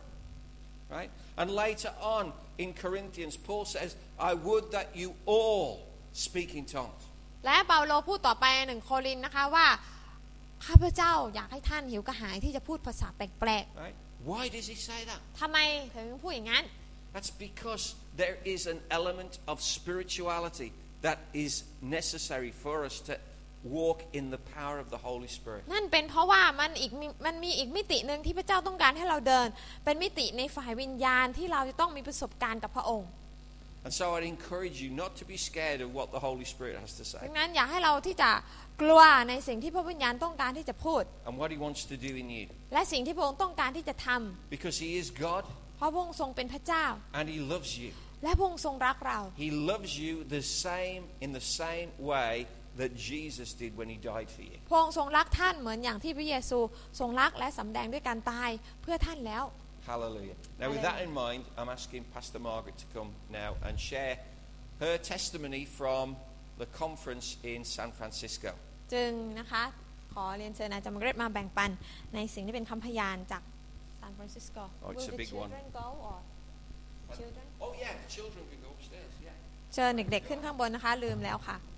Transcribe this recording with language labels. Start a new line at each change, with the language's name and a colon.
English: Right and later on in Corinthians Paul says I would that you all speak in tongues
Thai: และเปาโลพูดต่อไปหนึ่งโครินธ์นะคะว่าข้าพเจ้าอยากให้ท่านหิวกระหายที่จะพูดภาษาแปลก
English: ๆ Right why does he say that
Thai: ทำไมถึงพูดอย่างนั้น
English: That's because there is an element of spirituality that is necessary for us toWalk in the power of the Holy Spirit.
Thai: นั่นเป็นเพราะว่ามันมีอีกมิตินึงที่พระเจ้าต้องการให้เราเดินเป็นมิติในฝ่ายวิญญาณที่เราจะต้องมีประสบการณ์กับพระองค์
English: And so I'd encourage you not to be scared of what the Holy Spirit has to say.
Thai: ดังนั้นอย่าให้เราที่จะกลัวในสิ่งที่พระวิญญาณต้องการที่จะพูด
English: And what He wants to do in you.
Thai: และสิ่งที่พระองค์ต้องการที่จะทำ
English: Because He is God.
Thai: เพราะพระองค์ทรงเป็นพระเจ้า
English: And He loves you.
Thai: และพระองค์ทรงรักเรา
English: He loves you the same in the same way. That Jesus did when He died for you.
Thai: พระองค์ทรงรักท่านเหมือนอย่างที่พระเยซูทรงรักและสำแดงด้วยการตายเพื่อท่านแล้ว
English: Hallelujah. Now with that in mind, I'm asking Pastor Margaret to come now and share her testimony from the conference in San Francisco.
Thai: จึงนะคะขอเรียนเชิญอาจารย์มาร์เกร็ตมาแบ่งปันในสิ่งที่เป็นคำพยานจากซานฟรานซิสโก
English: Oh, it's a big one. Will the children go or Oh yeah, the children can go upstairs.
Thai: เชิญเด็กๆขึ้นข้างบนนะคะลืมแล้วค่ะ